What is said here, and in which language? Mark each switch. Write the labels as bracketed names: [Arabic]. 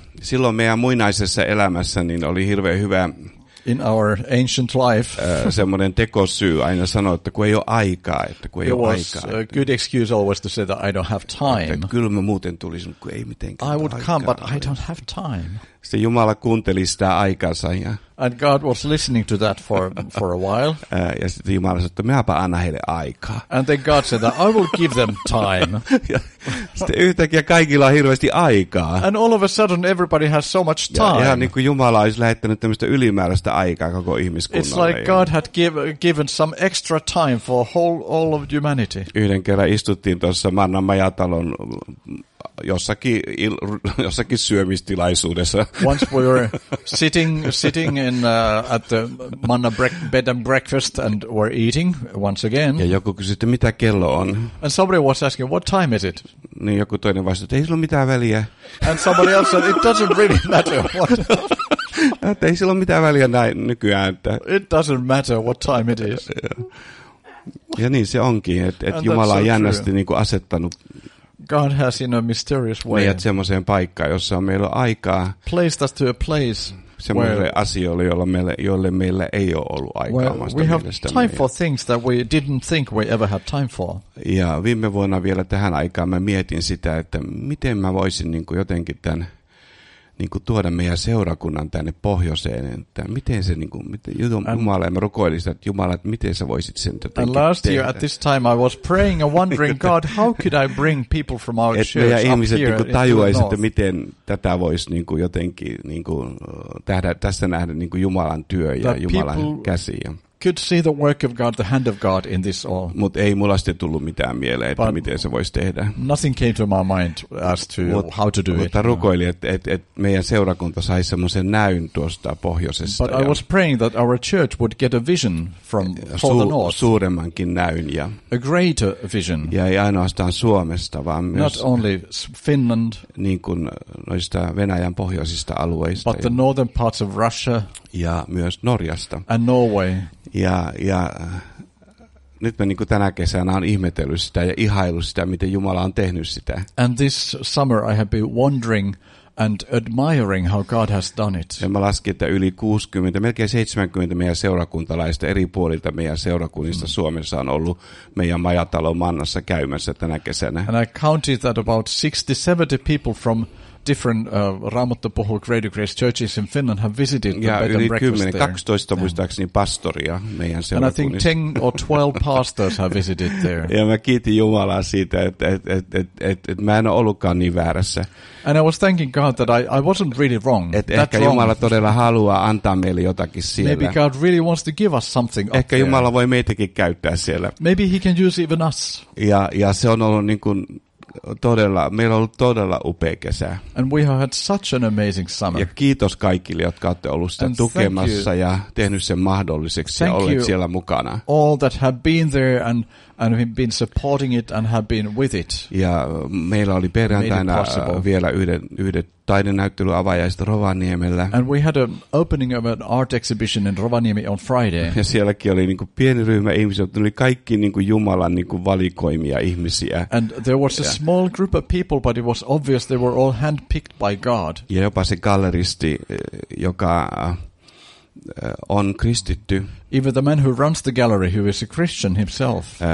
[Finnish] Silloin meidän muinaisessa elämässä niin oli hirveän hyvä [English] in our ancient life. [Finnish] Semmoinen tekosyy aina sanoa, että kun ei ole aikaa, että kun ei ole aikaa. [English] It was a good excuse always to say that I don't have time. [Finnish] Kyllä mä muuten tulisin, kun ei mitenkään aikaa. [English] I would come, but I don't have time. [Finnish] Sitten Jumala kuunteli sitä aikansa. Ja [English] and God was listening to that for a while. [Finnish] Ja sitten Jumala sanoi, että minäpä annan heille aikaa. [English] And then God said that I will give them time. [Finnish] Sitten yhtäkkiä kaikilla on hirveästi aikaa. [English] And all of a sudden everybody has so much time. [Finnish] Ja niin kuin Jumala olisi lähettänyt tämmöistä ylimääräistä aikaa koko ihmiskunnalle. [English] It's like God had given some extra time for all of humanity. [Finnish] Yhden kerran istuttiin tuossa Mannan majatalon jossakin syömistilaisuudessa. [English] Once we were sitting in at the Manna bed and breakfast and were eating once again. [Finnish] Ja joku kysyi, että mitä kello on? [English] And somebody was asking, what time is it? [Finnish] Niin joku toinen vastasi, että ei sillä ole mitään väliä. [English] And somebody else said, it doesn't really matter. [Finnish] Että ei sillä ole mitään väliä näin nykyään. Että [English] it doesn't matter what time it is. [Finnish] Ja niin se onkin, että Jumala on jännästi niin kuin asettanut [English] God has in a mysterious way. [Finnish] Meidät semmoiseen paikkaan, jossa meillä on aikaa. [English] Placed us to a place [Finnish] semmoiselle asioille, joille meillä ei ole ollut aikaa. [English] We have time for things that we didn't think we ever had time for. [Finnish] Ja viime vuonna vielä tähän aikaan mä mietin sitä, että miten mä voisin niin kuin jotenkin tämän niin kuin tuoda meidän seurakunnan tänne pohjoiseen, että miten se niin kuin Jumala, ja mä rukoilin sitä, että Jumala, että miten sä voisit sen jotenkin tehdä. [English] And last year at this time I was praying and wondering, God, how could I bring people from our church up here? [Finnish] Että ihmiset niin kuin tajuaisi, että miten tätä voisi niin kuin jotenkin niin kuin tässä nähdä niin kuin Jumalan työ ja Jumalan käsi. [English] Could see the work of God, the hand of God in this all. [Finnish] Mut ei mulla sitten tullut mitään mieleen, että miten se voisi tehdä. [English] Nothing came to my mind as to how to do it. [Finnish] Mutta rukoilin, että meidän seurakunta saisi semmoisen näyn tuosta pohjoisesta. [English] But I was praying that our church would get a vision from the north. [Finnish] Suuremmankin näyn ja [English] a greater vision. [Finnish] Ja ei ainoastaan Suomesta, vaan myös [English] not only Finland, [Finnish] niin kuin noista Venäjän pohjoisista alueista. [English] But the northern parts of Russia. [Finnish] Ja myös Norjasta. [English] And Norway. [Finnish] Ja nyt mä niin kuin tänä kesänä olen ihmetellyt sitä ja ihaillut sitä, miten Jumala on tehnyt sitä. [English] And this summer I have been wondering and admiring how God has done it. [Finnish] Ja mä laskin, että yli 60, melkein 70 meidän seurakuntalaista eri puolilta meidän seurakunnista Suomessa on ollut meidän majatalon Mannassa käymässä tänä kesänä. [English] And I counted that about 60-70 people from different Raamattopuhu Greater Grace churches in Finland have visited the bed and breakfast there. [Finnish] 10, 12 muistaakseni pastoria meidän seurakunnissa. [English] And I think 10 or 12 pastors have visited there. [Finnish] Ja mä kiitin Jumalaa siitä, että mä en ole ollutkaan niin väärässä. [English] And I was thanking God that I wasn't really wrong. [Finnish] Että ehkä Jumala todella haluaa antaa meille jotakin siellä. [English] Maybe God really wants to give us something up there. [Finnish] Ehkä Jumala voi meitäkin käyttää siellä. [English] Maybe he can use even us. [Finnish] Ja se on ollut niin kuin todella, meillä on ollut todella upea kesä. [English] And we have had such an amazing summer. [Finnish] Ja kiitos kaikille, jotka olette olleet sitä tukemassa ja tehneet sen mahdolliseksi [English] thank [Finnish] ja olleet siellä mukana. [English] All that have been there and we've been supporting it and have been with it. [Finnish] Ja meillä oli perjantaina vielä yhden taidenäyttelyn avajaiset Rovaniemellä. [English] And we had an opening of an art exhibition in Rovaniemi on Friday. [Finnish] Ja sielläkin oli niin kuin pieni ryhmä ihmisiä, mutta ne oli kaikki niin kuin Jumalan niin kuin valikoimia ihmisiä. [English] And there was a small group of people, but it was obvious they were all handpicked by God. [Finnish] Ja jopa se galleristi, joka on kristitty. [English] Even the man who runs the gallery, who is a Christian himself.